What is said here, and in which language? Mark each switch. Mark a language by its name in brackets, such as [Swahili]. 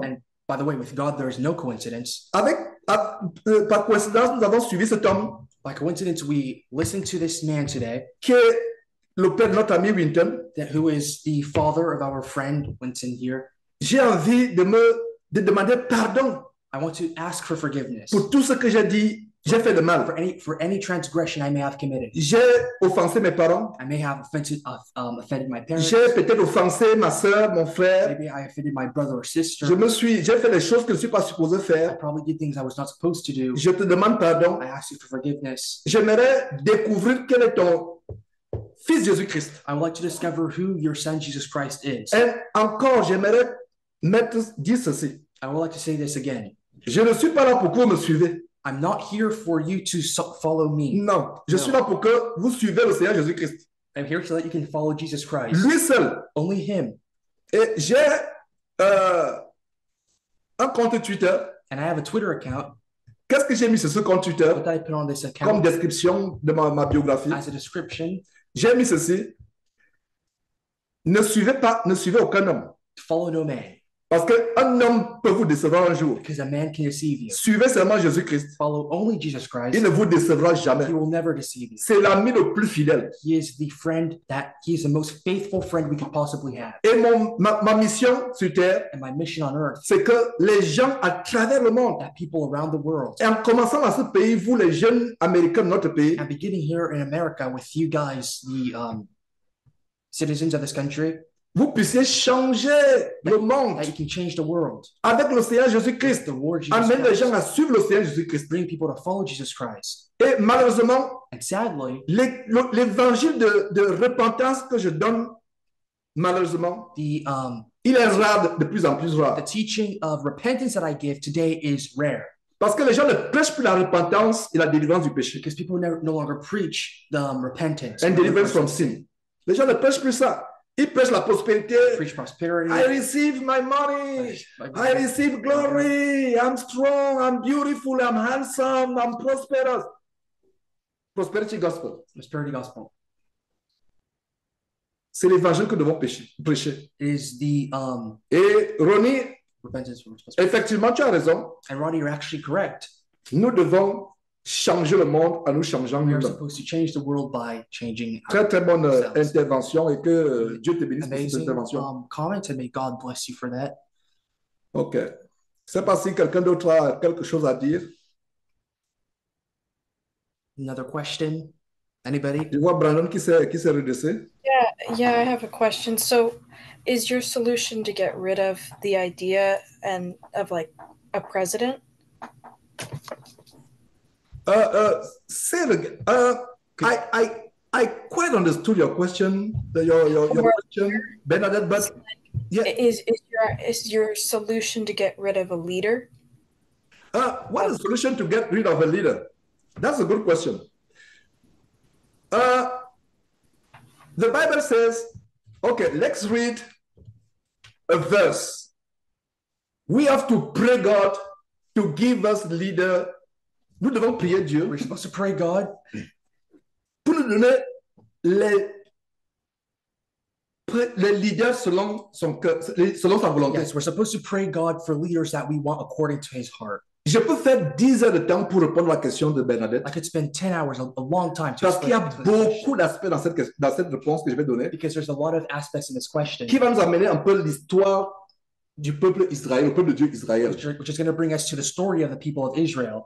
[English] And by the way, with God, there is no coïncidence. [French] Par coïncidence, nous avons suivi cet homme. [English] By coïncidence, we listened to this man today. [French] Qui est le père de notre ami Winton. [English] That who is the father of our friend, Winton, here. [French] J'ai envie de demander pardon. [English] I want to ask for forgiveness. [French] Pour tout ce que j'ai dit, j'ai fait de mal. [English] For any transgression I may have committed. [French] J'ai offensé mes parents. [English] I may have offended my parents. [French] J'ai peut-être offensé ma sœur, mon frère. [English] Maybe I offended my brother or sister. [French] J'ai fait les choses que je ne suis pas supposé faire. [English] I probably did things I was not supposed to do. [French] Je te demande pardon. [English] I ask you for forgiveness. [French] J'aimerais découvrir quel est ton fils Jésus-Christ. [English] I would like to discover who your son Jesus Christ is. [French] Et encore, j'aimerais mettre dire ceci. [English] I would like to say this again. [French] Je ne suis pas là pour que vous me suivez. [English] I'm not here for you to follow me. [French] Non, je suis là pour que vous suivez le Seigneur Jésus-Christ. [English] I'm here so that you can follow Jesus Christ. [French] Lui seul. [English] Only him. [French] Et j'ai un compte Twitter. [English] And I have a Twitter account. [French] Qu'est-ce que j'ai mis sur ce compte Twitter? [English] What did I put on this account? [French] Comme description de ma biographie. [English] As a description. [French] J'ai mis ceci. Ne suivez aucun homme. [English] Follow no man. [French] Parce qu'un homme peut vous décevoir un jour. [English] Because a man can deceive you. [French] Suivez seulement Jésus-Christ. [English] Follow only Jesus Christ. [French] Il ne vous décevra jamais. [English] He will never deceive you. [French] C'est l'ami le plus fidèle. [English] He is the friend that he is the most faithful friend we could possibly have. [French] Et ma mission sur terre. [English] And my mission on earth. [French] C'est que les gens à travers le monde. [English] That people around the world. [French] Et en commençant dans ce pays, vous les jeunes Américains de notre pays. [English] And beginning here in America with you guys, the citizens of this country. [French] Vous puissiez changer le monde. [English] That you can change the world. [French] Avec le Seigneur Jésus-Christ. [English] The Lord Jesus [French] Amène [English] Christ. [French] Les gens à suivre le Seigneur Jésus-Christ. [English] Bring people to follow Jesus Christ. [French] Et malheureusement, [English] and sadly, [French] l'évangile de repentance que je donne, malheureusement, il est rare, de plus en plus rare. [English] The teaching of repentance that I give today is rare. [French] Parce que les gens ne prêchent plus la repentance et la délivrance du péché. [English] Because people never, no longer preach the repentance. And deliverance from sin. [French] Les gens ne prêchent plus ça. Il prêche la prospérité. [English] Preach prosperity. I receive my money. I receive glory. I'm strong. I'm beautiful. I'm handsome. I'm prosperous. Prosperity gospel. Prosperity gospel. [French] C'est l'évangile que devons prêcher. [English] Is the [French] Et Ronnie, [English] repentance from prosperity. [French] Effectivement, tu as raison. [English] And Ronnie, you're actually correct. [French] Nous devons changer le monde en nous changeant nous-mêmes. [English] We are supposed to change the world by changing ourselves. [French] Très, très bonne intervention et que Dieu te bénisse pour cette intervention. [English] Amazing comment and may God bless you for that. OK. [French] C'est pas si quelqu'un d'autre a quelque chose à dire. [English] Another question? Anybody? [French] Je vois Brandon qui s'est redressé. [English] Yeah, I have a question. So, is your solution to get rid of the idea and of like a president? [French] C'est le [English] I quite understood your question, your question, Bernadette, but yeah. Is your solution to get rid of a leader? What is the solution to get rid of a leader? That's a good question. The Bible says, okay, let's read a verse. We have to pray God to give us leader. [French] Nous devons prier Dieu. [English] We're supposed to pray God. [French] Pour nous donner les leaders selon son cœur, selon sa volonté. [English] Yes, we're supposed to pray God for leaders that we want according to his heart. [French] Je peux faire 10 heures de temps pour répondre à la question de Bernadette. [English] I could spend 10 hours, a long time. [French] Parce qu'il y a beaucoup d'aspects dans cette réponse que je vais donner. [English] Because there's a lot of aspects in this question. [French] Qui va nous amener un peu l'histoire du peuple Israël, le peuple de Dieu Israël. [English] Which is going to bring us to the story of the people of Israel.